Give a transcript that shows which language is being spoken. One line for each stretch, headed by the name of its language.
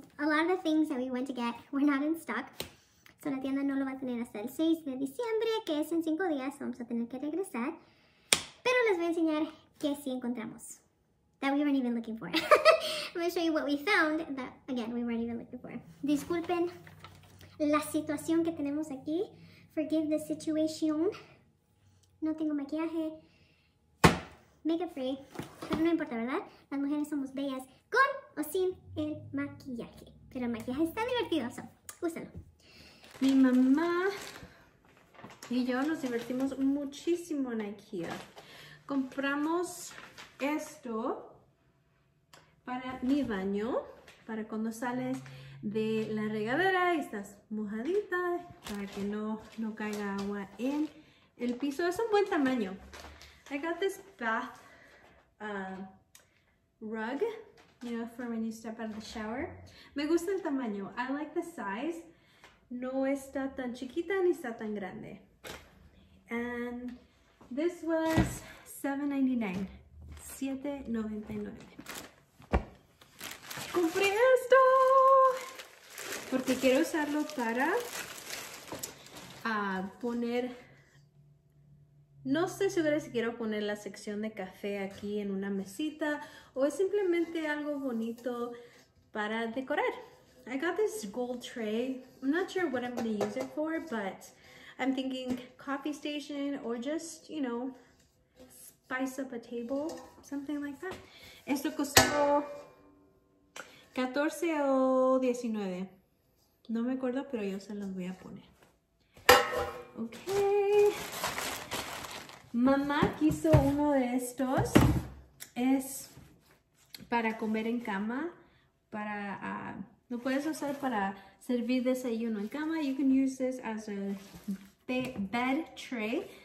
English: A lot of the things that we went to get were not in stock.
Spanish: So la tienda no lo va a tener hasta el 6 de diciembre, que es en 5 días. Vamos a tener que regresar. Pero les voy a enseñar qué sí encontramos.
English: That we weren't even looking for. I'm going to show you what we found that, again, we weren't even looking for.
Spanish: Disculpen la situación que tenemos aquí.
English: Forgive the situation.
Spanish: No tengo maquillaje.
English: Makeup free.
Spanish: Pero no importa, ¿verdad? Las mujeres somos bellas con o sin el maquillaje. Pero el maquillaje está divertido, so, úsalo. Mi mamá y yo nos divertimos muchísimo en IKEA. Compramos esto para mi baño, para cuando sales de la regadera y estás mojadita, para que no caiga agua en el piso. Es un buen tamaño.
English: I got this bath rug, you know, for when you step out of the shower.
Spanish: Me gusta el tamaño.
English: I like the size.
Spanish: No está tan chiquita ni está tan grande.
English: And this was $7.99. $7.99.
Spanish: ¡Compré esto! Porque quiero usarlo para poner... No estoy segura si quiero poner la sección de café aquí en una mesita o es simplemente algo bonito para decorar.
English: I got this gold tray. I'm not sure what I'm going to use it for, but I'm thinking coffee station or just, you know, spice up a table, something like that.
Spanish: Esto costó $14 o $19. No me acuerdo, pero yo se los voy a poner. Okay. Mamá quiso uno de estos. Es para comer en cama. Para, lo puedes usar para servir desayuno en cama.
English: You can use this as a bed tray.